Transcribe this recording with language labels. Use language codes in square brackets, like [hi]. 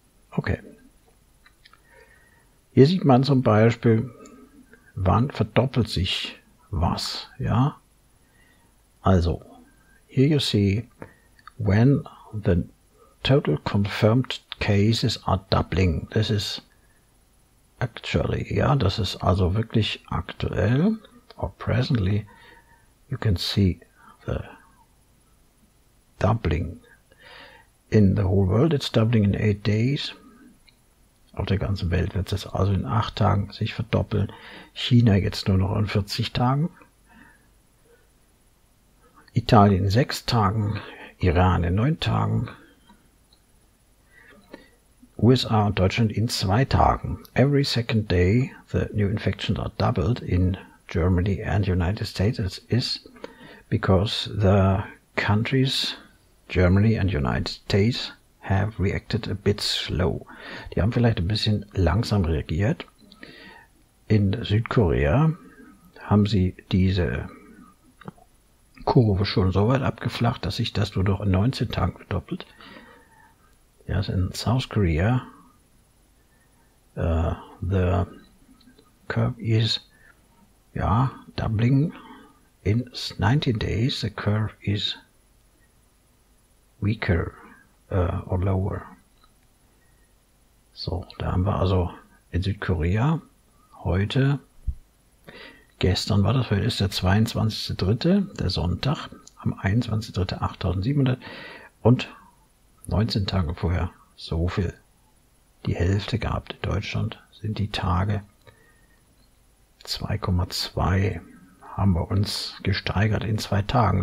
[en] Okay. [de] Hier sieht man zum Beispiel, wann verdoppelt sich was, ja? [en] Also, here you see, when the total confirmed cases are doubling. This is actually, [de] ja, das ist also wirklich aktuell, [en] or presently, you can see the doubling in the whole world. It's doubling in 8 days. [de] Auf der ganzen Welt wird es also in 8 Tagen sich verdoppeln. China jetzt nur noch in 40 Tagen. Italien in 6 Tagen. Iran in 9 Tagen. USA und Deutschland in 2 Tagen. [en] Every second day the new infections are doubled in Germany and United States. It is because the countries Germany and United States have reacted a bit slow. [de] Die haben vielleicht ein bisschen langsam reagiert. In Südkorea haben sie diese Kurve schon so weit abgeflacht, dass sich das nur noch in 19 Tagen verdoppelt. [en] Yes, in South Korea, the curve is, doubling. In 19 days, the curve is weaker or lower. [de] So, da haben wir also in Südkorea heute, gestern war das, heute ist der 22.3., der Sonntag, am 21.3. 8.700 und 19 Tage vorher so viel, die Hälfte gehabt. In Deutschland sind die Tage 2,2, haben wir uns gesteigert in 2 Tagen.